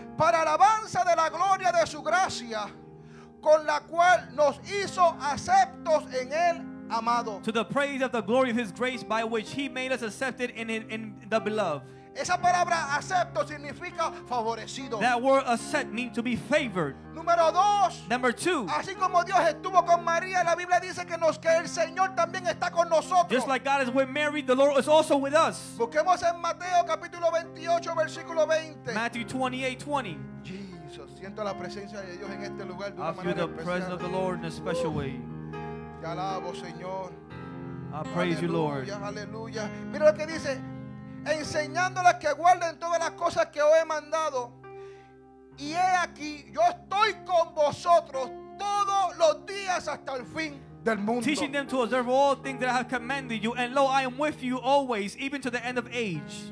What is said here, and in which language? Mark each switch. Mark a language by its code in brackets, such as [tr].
[es] Para alabanza de la gloria de su gracia, con la cual nos hizo aceptos en él amado. [en] To the praise of the glory of his grace by which he made us accepted in the beloved. [es] Esa palabra acepto significa favorecido. [en] That word accept means to be favored. [es] Número dos. [en] Number two. [es] Así como Dios estuvo con María, la Biblia dice que nos que el Señor también está con nosotros. [en] Just like God is with Mary, the Lord is also with us. [es] Busquemos en Mateo capítulo 28 versículo 20. [en] Matthew 28:20. [es] Jesús, siento la presencia de Dios en este lugar de una manera especial. [en] I feel the presence of the Lord in a special way. [es] Te alabo, Señor. [en] I praise you, Lord. [es] Aleluya. Mira lo que dice. Enseñándoles que guarden todas las cosas que os he mandado. Y he aquí, yo estoy con vosotros todos los días hasta el fin del mundo. [en] Teaching them to observe all things that I have commanded you. And lo, I am with you always, even to the end of age.